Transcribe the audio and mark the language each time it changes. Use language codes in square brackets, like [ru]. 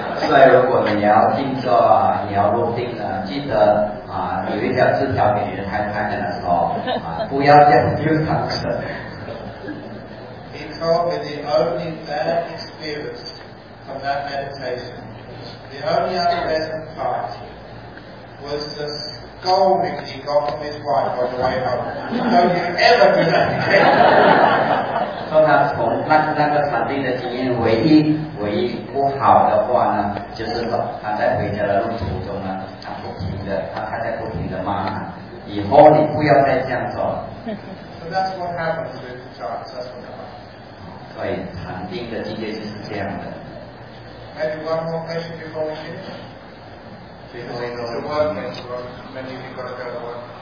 [zh] 所以如果你要静坐，你要入定呢，记得有一条字条给你的太太的时候不要这样丢场子。 [en] He told me the only bad experience. From that meditation, the only unpleasant part was the scolding he got from his wife on the way home. Don't you ever do that again? [zh] 说他从那个禅定的经验，唯一不好的话呢，就是说他在回家的路途中呢，他太太不停的骂他，以后你不要再这样做了。 [en] So that's what happens with the chance. That's what happens. [zh] 所以禅定的境界就是这样的。 [en] Maybe one more question before we finish. Before we go to work, many of you got to go to work.